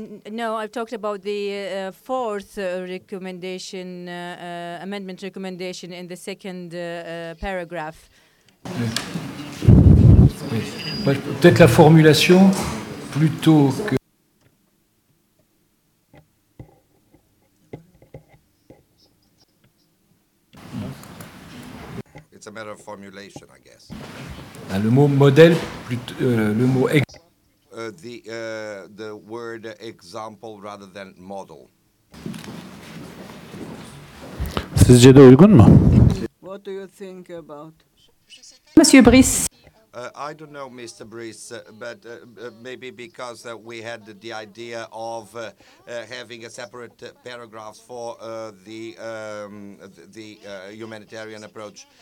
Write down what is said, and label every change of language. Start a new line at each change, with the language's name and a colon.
English: No, I've talked about the fourth recommendation, amendment recommendation in the second paragraph.
French: Peut-être la formulation plutôt que.
English: It's a matter of formulation, I guess.
French: Le mot modèle, plutôt, le mot.
English: The word example rather than model.
Turkish: Sizce de uygun mu?
English: What do you think about?
French: Monsieur Brice.
English: I don't know, Mr. Brice, but maybe because we had the idea of having a separate paragraph for the humanitarian approach.